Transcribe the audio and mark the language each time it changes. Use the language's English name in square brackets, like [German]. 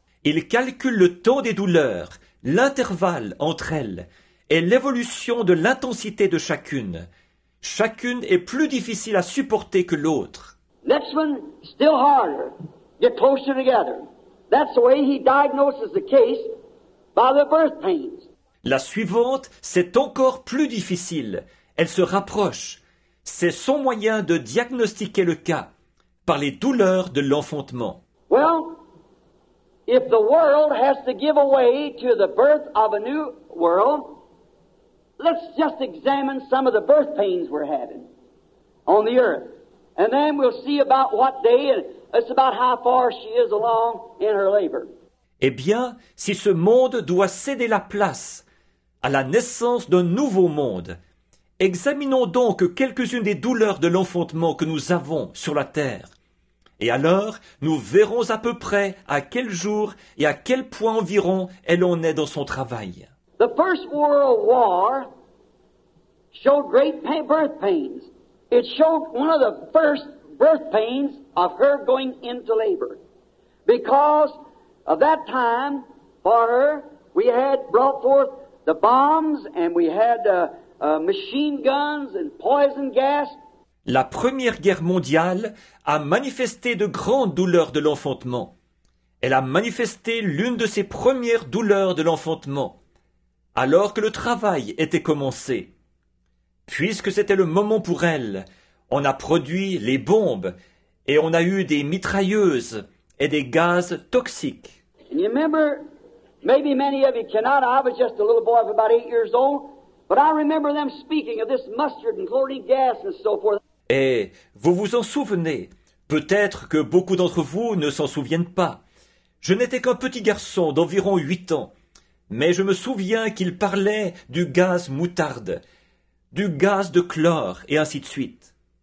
[French] Il calcule le temps des douleurs, l'intervalle entre elles, et l'évolution de l'intensité de chacune. Chacune est plus difficile à supporter que l'autre. [English] Next one, still harder. Get closer together. That's the way he diagnoses the case by the birth pains. [French] La suivante, c'est encore plus difficile. Elle se rapproche. C'est son moyen de diagnostiquer le cas par les douleurs de l'enfantement. [English] Well, if the world has to give away to the birth of a new world, let's just examine some of the birth pains we're having on the earth. And then we'll see about what day, and it's about how far she is along in her labor. [French] Eh bien, si ce monde doit céder la place à la naissance d'un nouveau monde, examinons donc quelques-unes des douleurs de l'enfantement que nous avons sur la terre. Et alors, nous verrons à peu près à quel jour et à quel point environ elle en est dans son travail. [English] The First World War showed great birth pains. It showed one of the first birth pains of her going into labor. Because of that time, for her, we had brought forth the bombs and we had machine guns and poison gas. [French] La Première Guerre mondiale a manifesté de grandes douleurs de l'enfantement. Elle a manifesté l'une de ses premières douleurs de l'enfantement, alors que le travail était commencé. Puisque c'était le moment pour elle, on a produit les bombes et on a eu des mitrailleuses et des gaz toxiques. [English] And you remember, maybe many of you cannot, I was just a little boy of about 8 years old, but I remember them speaking of this mustard and chlorine gas and so forth. [French] Et vous vous en souvenez, peut-être que beaucoup d'entre vous ne s'en souviennent pas. Je n'étais qu'un petit garçon d'environ 8 ans, mais je me souviens qu'il parlait du gaz moutarde, du gaz de chlore, et ainsi de suite.